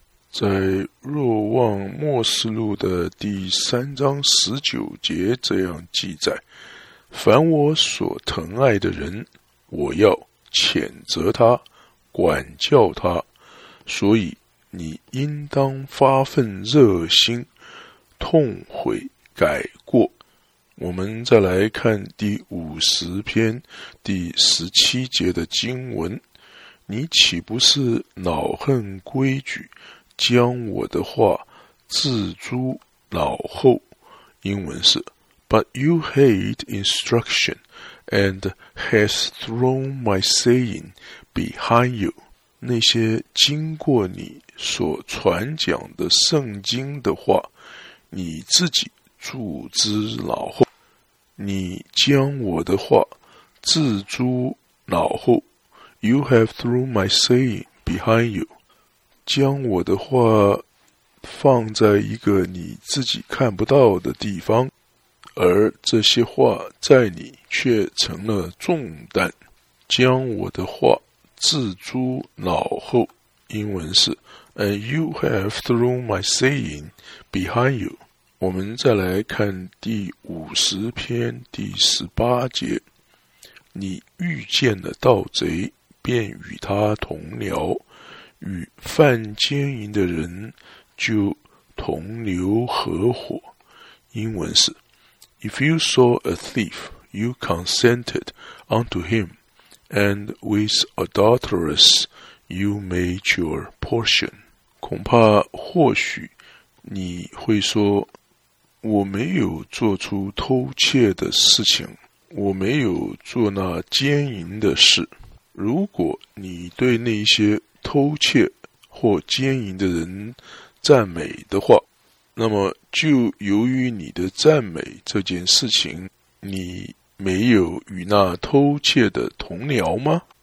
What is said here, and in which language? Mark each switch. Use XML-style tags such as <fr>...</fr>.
<zh>在若望末世录的第3章19节这样记载，凡我所疼爱的人，我要谴责他，管教他，所以你应当发奋热心，痛悔改过。我们再来看第50篇第17节的经文，你岂不是恼恨规矩，将我的话置诸脑后？英文是</zh> <en>But you hate instruction and has thrown my saying behind you.</en> <zh>那些经过你所传讲的圣经的话，你自己置之脑后，你将我的话置诸脑后。</zh> <en>You have thrown my saying behind you，</en> <zh>将我的话放在一个你自己看不到的地方，而这些话在你却成了重担。将我的话置诸脑后，英文是</zh> <en>And you have thrown my saying behind you。</en> <zh>我们再来看第50篇第18节，你遇见了盗贼，便与他同僚，与犯奸淫的人就同流合伙。英文是</zh> <en>If you saw a thief, you consented unto him, and with adulterers you made your portion。</en> <zh>恐怕或许你会说，我没有做出偷窃的事情，我没有做那奸淫的事。如果你对那些偷窃或奸淫的人赞美的话，那么就由于你的赞美这件事情，你没有与那偷窃的同僚吗？</zh>